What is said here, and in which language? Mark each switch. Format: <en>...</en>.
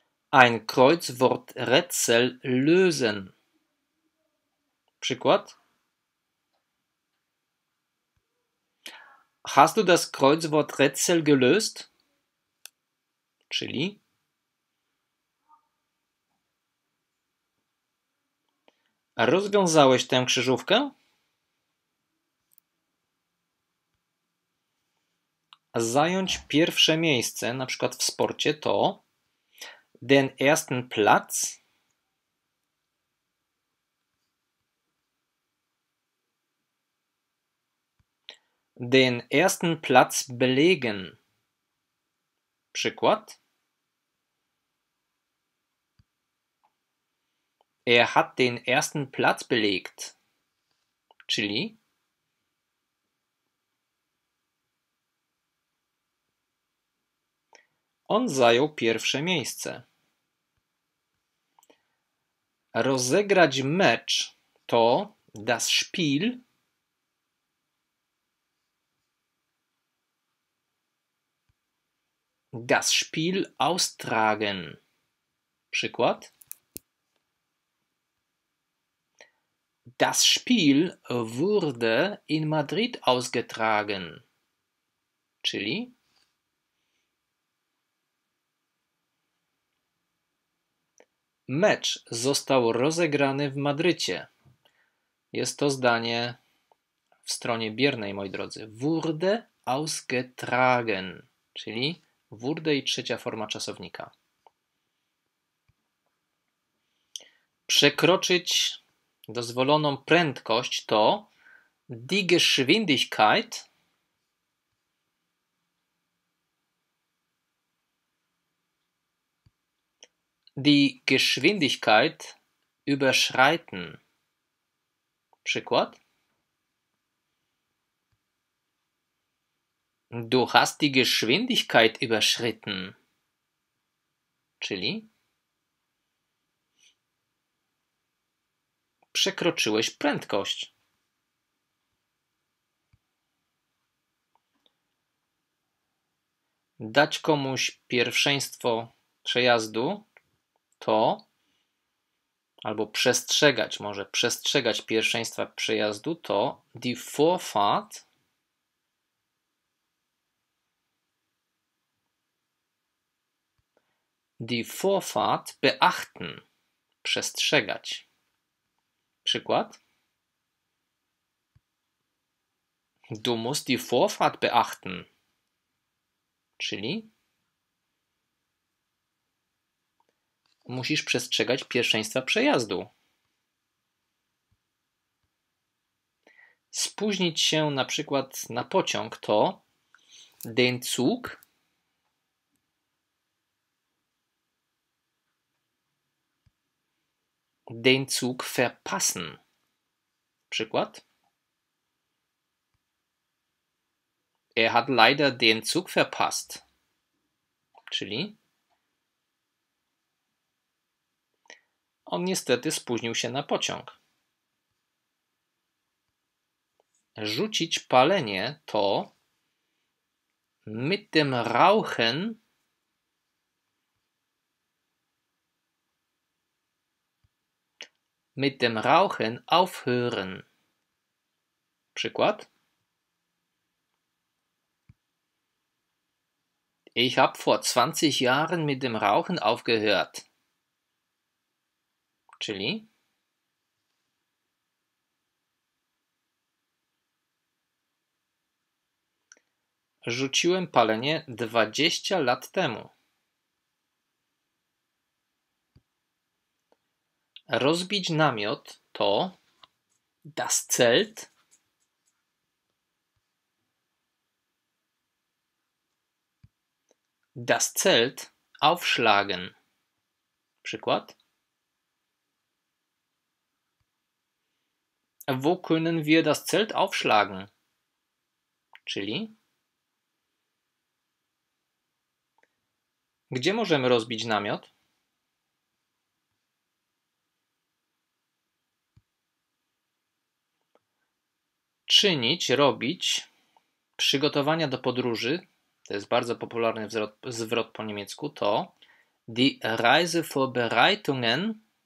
<de>Ein Kreuzwort Rätsel lösen.</de> <pl>Przykład.</pl> <de>Hast du das Kreuzwort Rätsel gelöst?</de> <pl>Czyli rozwiązałeś tę krzyżówkę? Zająć pierwsze miejsce, na przykład w sporcie, to</pl> <de>den ersten Platz. Den ersten Platz belegen.</de> <pl>Przykład.</pl> <de>Er hat den ersten Platz belegt.</de> <pl>Czyli on zajął pierwsze miejsce. Rozegrać mecz to</pl> <de>das Spiel. Das Spiel austragen.</de> <pl>Przykład.</pl> <de>Das Spiel wurde in Madrid ausgetragen.</de> <pl>Czyli mecz został rozegrany w Madrycie. Jest to zdanie w stronie biernej, moi drodzy.</pl> <de>Wurde ausgetragen.</de> <pl>Czyli wurde i trzecia forma czasownika. Przekroczyć dozwoloną prędkość to</pl> <de>die Geschwindigkeit. Die Geschwindigkeit überschreiten.</de> <pl>Przykład.</pl> <de>Du hast die Geschwindigkeit überschritten.</de> <pl>Czyli przekroczyłeś prędkość. Dać komuś pierwszeństwo przejazdu to albo przestrzegać, może przestrzegać pierwszeństwa przejazdu to</pl> <de>die Vorfahrt. Die Vorfahrt beachten.</de> <pl>Przestrzegać. Przykład.</pl> <de>Du musst die Vorfahrt beachten.</de> <pl>Czyli musisz przestrzegać pierwszeństwa przejazdu. Spóźnić się na przykład na pociąg to</pl> <de>den Zug. Den Zug verpassen.</de> <pl>Przykład.</pl> <de>Er hat leider den Zug verpasst.</de> <pl>Czyli on niestety spóźnił się na pociąg. Rzucić palenie to</pl> <de>mit dem Rauchen. Mit dem Rauchen aufhören.</de> <pl>Przykład.</pl> <de>Ich habe vor 20 Jahren mit dem Rauchen aufgehört.</de> <pl>Czyli rzuciłem palenie 20 lat temu. Rozbić namiot to</pl> <de>das Zelt. Das Zelt aufschlagen.</de> <pl>Przykład.</pl> <de>Wo können wir das Zelt aufschlagen?</de> <pl>Czyli Gdzie możemy rozbić namiot? Czynić, robić, przygotowania do podróży, to jest bardzo popularny zwrot po niemiecku, to</pl> <de>die Reisevorbereitungen.</de>